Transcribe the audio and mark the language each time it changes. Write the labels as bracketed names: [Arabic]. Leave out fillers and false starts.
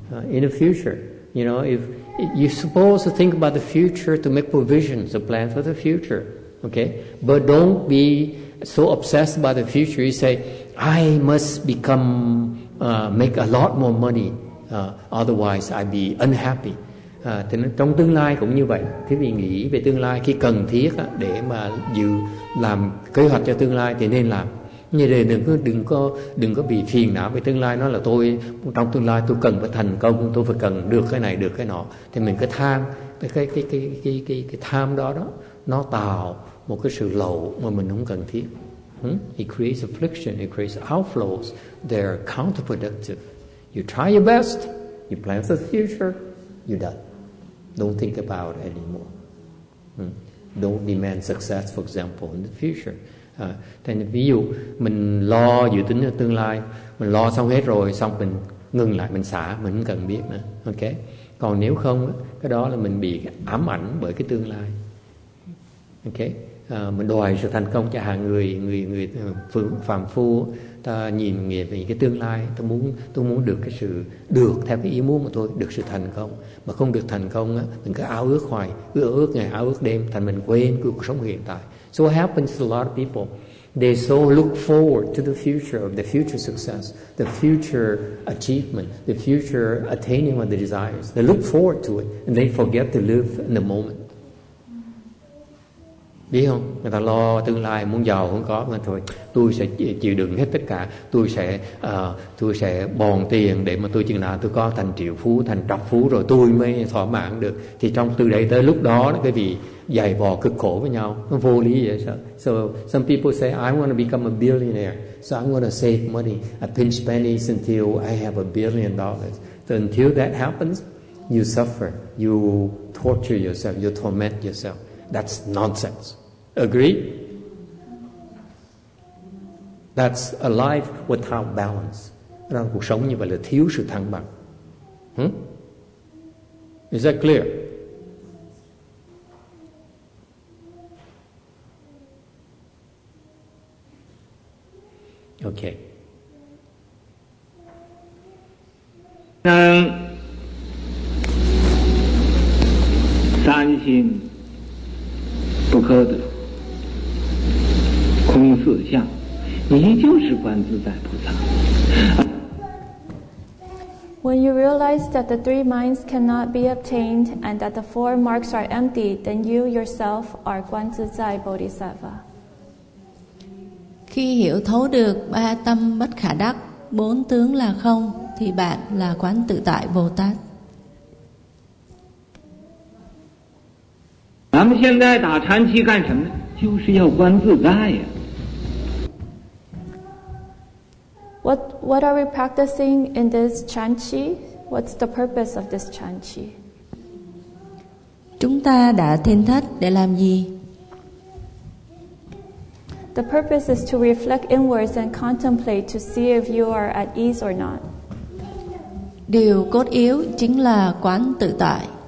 [English] In the future, you know, if you're supposed to think about the future to make provisions, a plan for the future, okay? But don't be so obsessed about the future. You say, I must become make a lot more money, otherwise I'd be unhappy. [Vietnamese] Thì trong tương lai cũng như vậy. Thế vì nghĩ về tương lai khi cần thiết á, để mà dự làm kế hoạch cho tương lai thì nên làm. Như thế đừng có bị phiền não về tương lai, nói là tôi trong tương lai tôi cần phải thành công, tôi phải cần được cái này được cái nọ, thì mình cứ tham cái tham đó nó tạo một cái sự lậu mà mình không cần thiết. [English] It creates affliction, it creates outflows, they're counterproductive. You try your best, you plan for the future, you're done. Don't think about it anymore. Don't demand success, for example, in the future. [Vietnamese] Thành ví dụ mình lo dự tính ở tương lai, mình lo xong hết rồi, xong mình ngừng lại, mình xả, mình không cần biết nữa. Okay. Còn nếu không, cái đó là mình bị ám ảnh bởi cái tương lai. Okay. Mình đòi sự thành công cho hàng người phàm phu, ta nhìn về cái tương lai, tôi muốn được cái sự được theo cái ý muốn của tôi, được sự thành công. Mà không được thành công á, mình cứ ao ước hoài, cứ ước ngày, ao ước đêm, thành mình quên cuộc sống hiện tại. [English] So what happens to a lot of people? They so look forward to the future of the future success, the future achievement, the future attaining of the desires. They look forward to it and they forget to live in the moment. [Vietnamese] Biết không? Người ta lo tương lai, muốn giàu không có, nên thôi tôi sẽ chịu đựng hết tất cả, tôi sẽ bòn tiền để mà tôi chừng nào tôi có thành triệu phú, thành trăm phú rồi tôi mới thỏa mãn được. Thì trong từ đây tới lúc đó, cái gì dày vò cực khổ với nhau, nó vô lý vậy. [English] So some people say I want to become a billionaire, so I'm going to save money, I pinch pennies until I have $1 billion. So until that happens, you suffer, you torture yourself, you torment yourself. That's nonsense. Agree? That's a life without balance. [Vietnamese] Rằng cuộc sống như vậy là thiếu sự thăng bằng. [English] Is that clear? Okay. Nam san xin [Chinese] 不可得空四相，你就是观自在菩萨。 [English] When you realize that the three minds cannot be obtained and that the four marks are empty, then you yourself are 观自在 Bodhisattva. [Vietnamese] Khi hiểu thấu được ba tâm bất khả đắc, bốn tướng là không, thì bạn là quán tự tại Bồ Tát. [Chinese] 咱们现在打禅期干什么呢？就是要观自在呀。 [English] What are we practicing in this chan chi? What's the purpose of this chan chi? [Vietnamese] Chúng ta đã thiền thất để làm gì? [English] The purpose is to reflect inwards and contemplate to see if you are at ease or not. [Vietnamese] Điều cốt yếu chính là quán tự tại.